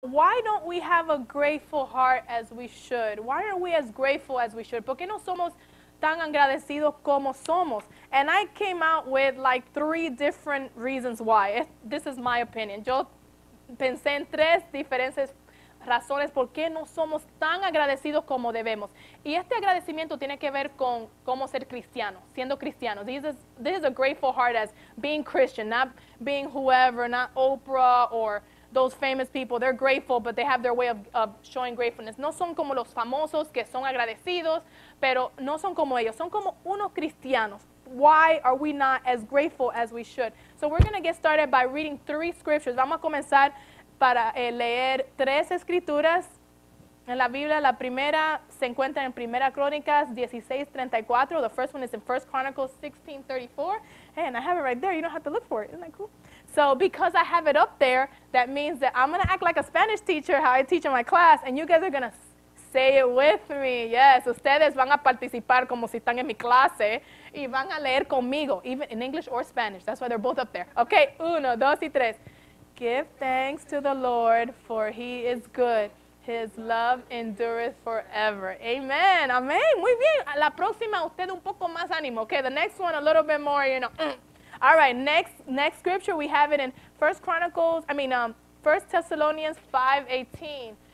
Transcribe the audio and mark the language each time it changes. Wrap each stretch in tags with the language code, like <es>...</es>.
<en>Why don't we have a grateful heart as we should? Why aren't we as grateful as we should?</en> <es>¿Por qué no somos tan agradecidos como somos?</es> <en>And I came out with like three different reasons why. This is my opinion.</en> <es>Yo pensé en tres diferentes razones por qué no somos tan agradecidos como debemos. Y este agradecimiento tiene que ver con cómo ser cristiano, siendo cristiano.</es> <en>This is a grateful heart as being Christian, not being whoever, not Oprah or those famous people. They're grateful, but they have their way of showing gratefulness.</en> <es>No son como los famosos que son agradecidos, pero no son como ellos. Son como unos cristianos.</es> <en>Why are we not as grateful as we should? So we're going to get started by reading three scriptures.</en> <es>Vamos a comenzar para leer tres escrituras en la Biblia. La primera se encuentra en Primera Crónicas 16:34.</es> <en>The first one is in First Chronicles 16:34. And I have it right there. You don't have to look for it. Isn't that cool? So because I have it up there, that means that I'm going to act like a Spanish teacher, how I teach in my class, and you guys are going to say it with me.</en> <es>Yes, ustedes van a participar como si están en mi clase y van a leer conmigo,</es> <en>even in English or Spanish. That's why they're both up there. Okay,</en> <es>uno, dos y tres.</es> <en>Give thanks to the Lord, for he is good. His love endureth forever. Amen, amen.</en> <es>Muy bien. La próxima, usted un poco más ánimo.</es> <en>Okay, the next one, a little bit more, you know. All right, next scripture, we have it in 1 Thessalonians 5:18.</en>